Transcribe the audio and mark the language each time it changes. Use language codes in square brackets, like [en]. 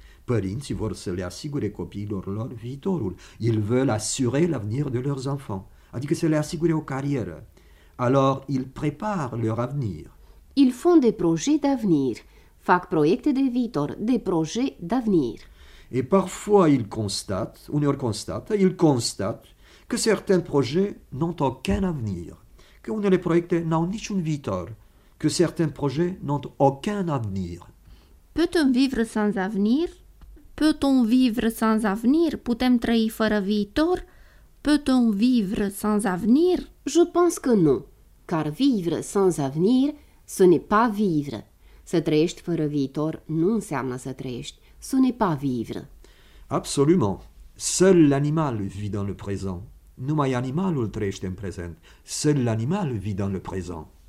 [ro] Părinții vor să le asigure copiilor lor viitorul. [fr] Ils veulent assurer l'avenir de leurs enfants. [ro] Adică să le asigure o carieră. [fr] Alors, ils préparent leur avenir. Ils font des projets d'avenir. [ro] Fac proiecte de viitor, [fr] des projets d'avenir. Et parfois, ils constatent, [ro] uneori constată, [fr] ils constatent que certains projets n'ont aucun avenir. [ro] Que unele proiecte n-au niciun viitor. [fr] Que certains projets n'ont aucun avenir. Peut-on vivre sans avenir? Peut-on vivre sans avenir? [ro] Putem trăi fără viitor? [fr] Peut-on vivre sans avenir? Je pense que non. Car vivre sans avenir, ce n'est pas vivre. [ro] Să trăiești fără viitor nu înseamnă să trăiești. [fr] Ce n'est pas vivre. Absolument. Seul l'animal vit dans le présent. [ro] Numai animalul trăiește în prezent. [fr] Seul l'animal vit dans le présent.